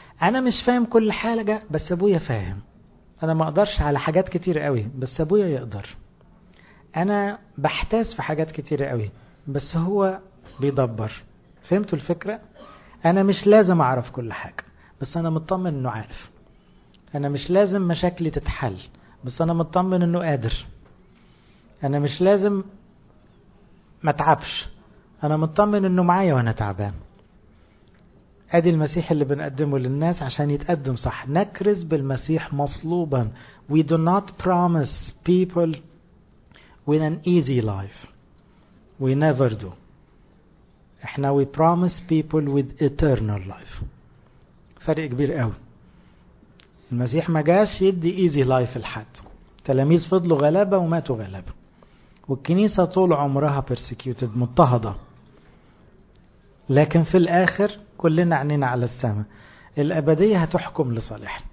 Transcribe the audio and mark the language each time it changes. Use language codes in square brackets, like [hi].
[ar] أنا مش فاهم كل حاجة بس أبويا فاهم، أنا ما أقدرش على حاجات كتير قوي بس أبويا يقدر، أنا بحتاس في حاجات كتير قوي بس هو بيدبر، فهمتوا الفكرة؟ أنا مش لازم أعرف كل حاجة بس أنا مطمن أنه عارف، أنا مش لازم مشاكلي تتحل بس أنا مطمن أنه قادر، أنا مش لازم ما تعبش، أنا مطمن أنه معايا وأنا تعبان. أدي المسيح اللي بنقدمه للناس عشان يتقدم صح، نكرز بالمسيح مصلوبا. [en] We do not promise people with an easy life. We never do. [ar] احنا [en] we promise people with eternal life. [ar] فرق كبير قوي. المسيح ما جاش يدي [en] easy life [ar] لحد. تلاميذ فضلوا غلابة وماتوا غلابة. والكنيسة طول عمرها persecuted، مضطهدة. لكن في الآخر كلنا عنينا على السماء، الأبدية هتحكم لصالحنا.